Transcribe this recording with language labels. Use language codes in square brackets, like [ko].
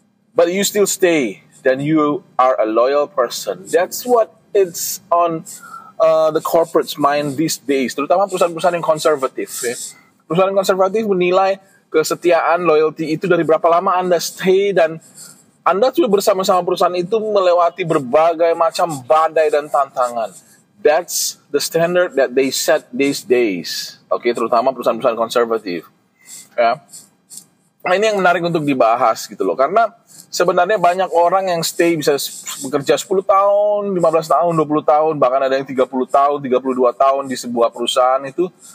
[en] But you still stay, then you are a loyal person. That's what it's on the corporate's mind these days. [id] Terutama perusahaan-perusahaan yang konservatif. Okay. Perusahaan yang konservatif menilai kesetiaan, loyalty itu dari berapa lama Anda stay dan Anda sudah bersama-sama perusahaan itu melewati berbagai macam badai dan tantangan. [en] That's the standard that they set these days. [id] Okay, terutama perusahaan-perusahaan konservatif. Yeah. Nah, ini yang menarik untuk dibahas gitu loh. Karena sebenarnya banyak orang yang stay bisa bekerja 10 tahun, 15 tahun, 20 tahun, bahkan ada yang 30 tahun, 32 tahun di sebuah perusahaan itu.